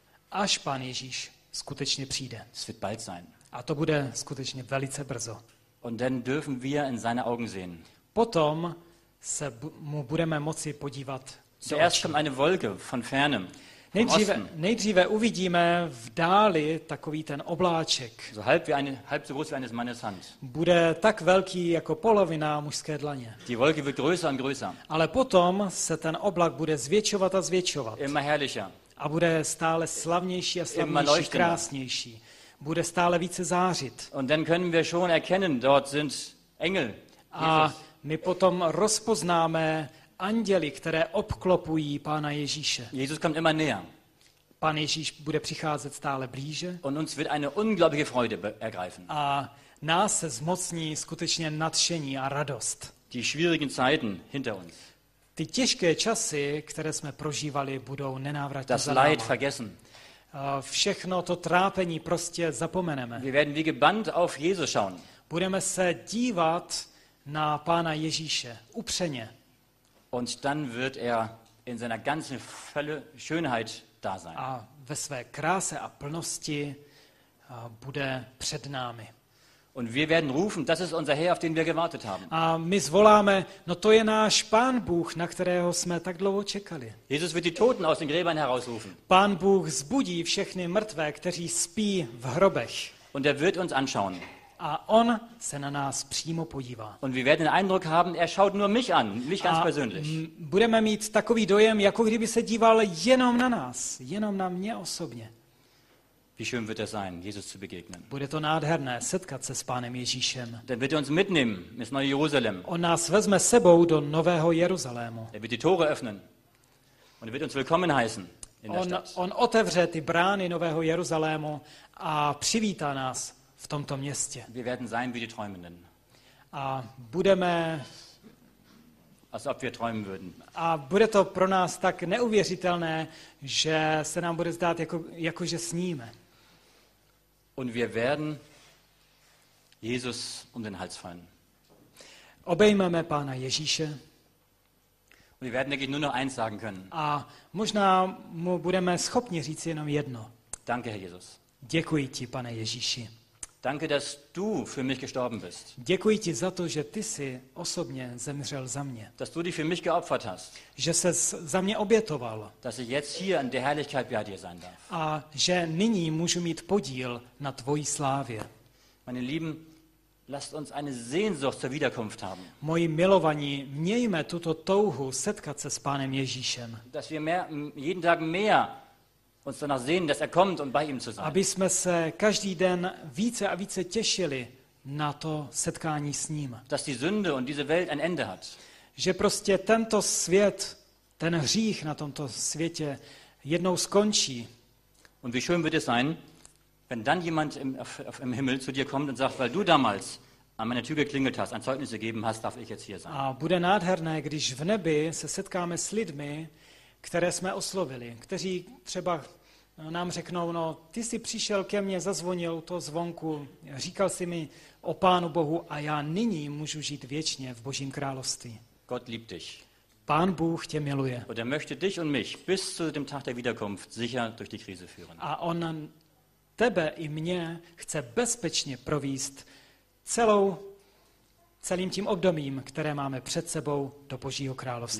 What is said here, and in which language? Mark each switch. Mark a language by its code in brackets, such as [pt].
[cs] Až Pán Ježíš skutečně přijde. [de] Es wird bald sein. [cs] A to bude skutečně velice brzo. [de] Und dann dürfen wir in seine Augen sehen. [cs] Potom se mu budeme moci podívat do očí. [de] Zuerst kommt eine Wolke von fernem. [cs] Nejdříve uvidíme v dáli takový ten obláček. [de] So halb wie eine, halb so groß wie eines Mannes Hand. [cs] Bude tak velký jako polovina mužské dlaně. [de] Die Wolke wird größer und größer. [cs] Ale potom se ten oblak bude zvětšovat a zvětšovat. [de] Immer herrlicher. [cs] A bude stále slavnější a slavnější, krásnější. Bude stále více zářit. [de] Und dann können wir schon erkennen, dort sind Engel. [cs] A my potom rozpoznáme anděli, které obklopují Pána Ježíše. [de] Jesus kommt immer näher. [cs] Pán Ježíš bude přicházet stále blíže. [de] Und uns wird eine unglaubliche Freude ergreifen. [cs] A nás se zmocní skutečně nadšení a radost. [de] Die schwierigen Zeiten hinter uns. [cs] Ty těžké časy, které jsme prožívali, budou nenávratně za náma. [de] Das Leid vergessen. [cs] Všechno to trápení prostě zapomeneme. [de] Wir werden wie gebannt auf Jesus schauen. [cs] Budeme se dívat na Pána Ježíše upřeně. [de] Und dann wird in seiner ganzen Fülle Schönheit da sein. [cs] A ve své kráse a plnosti bude před námi. [de] Und wir werden rufen, das ist unser Herr, auf den wir gewartet haben. [cs] A my zvoláme, no to je náš Pán Bůh, na kterého jsme tak dlouho čekali. [de] Jesus wird die Toten aus den Gräbern herausrufen. [cs] Pán Bůh zbudí všechny mrtvé, kteří spí v hrobech. [de] Und wird uns anschauen. [cs] A on se na nás přímo podívá. [de] Und wir werden den Eindruck haben, schaut nur mich an, mich ganz persönlich. [cs] Budeme mít takový dojem, jako kdyby se díval jenom na nás, jenom na mě osobně. [de] Wie schön wird das sein, Jesus zu begegnen. [cs] Bude to nádherné setkat se s Pánem Ježíšem. [de] Der wird uns mitnehmen ins neue Jerusalem. [cs] On nás vezme sebou do nového Jeruzalému. [de] Er wird die Tore öffnen und wird uns willkommen heißen. [cs] On otevře ty brány nového Jeruzalému a přivítá nás v tomto městě. [de] Wir werden sein wie die Träumenden. [cs] A budeme, [de] als ob wir träumen würden. [cs] A bude to pro nás tak neuvěřitelné, že se nám bude zdát jako že sníme. [de] Und wir werden Jesus den Hals fallen. [cs] Obejmeme Pána Ježíše. [de] Und wir werden, denke ich, nur noch eins sagen können. [cs] A možná mu budeme schopni říct jenom jedno. [de] Danke, Herr Jesus. [cs] Děkuji ti, pane Ježíši. [de] Danke, dass du für mich gestorben bist. [cs] Děkuji ti za to, že ty jsi osobně zemřel za mě. [de] Dass du dich für mich geopfert hast. [cs] Že jsi za mě obětoval. [de] Dass ich jetzt hier in der Herrlichkeit bei dir sein darf. [cs] A že nyní můžu mít podíl na tvojí slávě. [de] Meine Lieben, lasst uns eine Sehnsucht zur Wiederkunft haben. [cs] Moji milovaní, mějme tuto touhu setkat se s pánem Ježíšem. [de] Dass wir mehr, jeden Tag mehr uns danach sehen, dass kommt und bei ihm zu sein. [cs] Aby jsme se každý den více a více těšili na to setkání s ním. [de] Dass die Sünde und diese Welt ein Ende hat. [cs] Že prostě tento svět, ten hřích na tomto světě jednou skončí. [de] Und wie schön wird es sein, wenn dann jemand im Himmel zu dir kommt und sagt, weil du damals an meine Tür geklingelt hast, ein Zeugnis gegeben hast, darf ich jetzt hier sein. [cs] A bude nádherné, když v nebi se setkáme s lidmi, které jsme oslovili, kteří třeba nám řeknou, no, ty jsi přišel ke mně, zazvonil u toho zvonku, říkal jsi mi o Pánu Bohu a já nyní můžu žít věčně v Božím království. [de] Gott liebt dich. [cs] Pán Bůh tě miluje. [de] Und möchte dich und mich bis zu dem Tag der Wiederkunft sicher durch die Krise führen. [cs] A on tebe i mě chce bezpečně províst celým tím obdobím, které máme před sebou do Božího království.